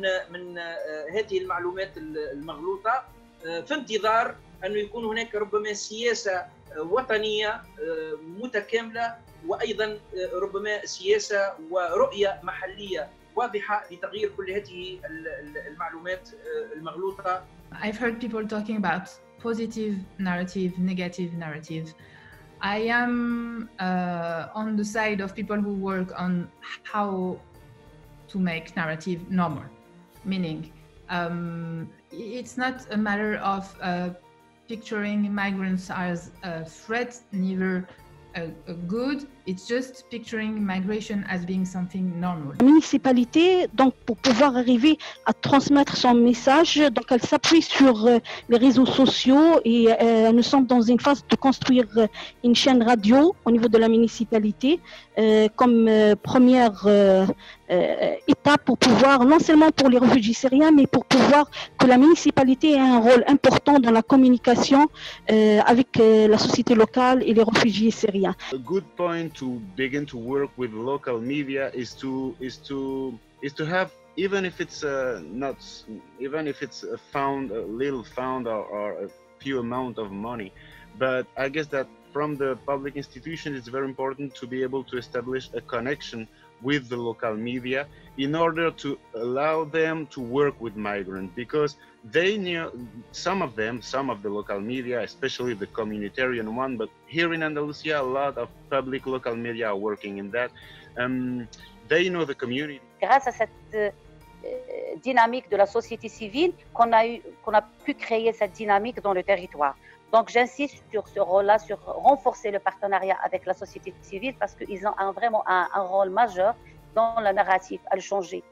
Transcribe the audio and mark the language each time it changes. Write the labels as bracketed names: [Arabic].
[Arabic] من هذه المعلومات المغلوطة في انتظار أن يكون هناك ربما سياسة وطنية متكاملة وأيضا ربما سياسة ورؤية محلية واضحة لتغيير كل هذه المعلومات المغلوطة. [English] I've heard people talking about positive narrative, negative narrative. I am on the side of people who work on how to make narrative normal, meaning it's not a matter of picturing migrants as a threat, neither a good, It's just picturing migration as being something normal. [French] La municipalité, donc, pour pouvoir arriver à transmettre son message, donc, elle s'appuie sur les réseaux sociaux et nous sommes dans une phase de construire une chaîne radio au niveau de la municipalité comme première étape pour pouvoir, non seulement pour les réfugiés syriens, mais pour pouvoir que la municipalité ait un rôle important dans la communication avec la société locale et les réfugiés syriens. [English] A good point to begin to work with local media is to have, even if it's not, even if it's a little found or a few amount of money, but I guess that from the public institution it's very important to be able to establish a connection with the local media in order to allow them to work with migrants, because they knew, some of the local media, especially the communitarian one, but here in Andalusia a lot of public local media are working in that, they know the community. [French] Grâce à cette dynamique de la société civile qu'on a pu créer cette dynamique dans le territoire. Donc j'insiste sur ce rôle-là, sur renforcer le partenariat avec la société civile parce qu'ils ont vraiment un rôle majeur dans la narrative à le changer.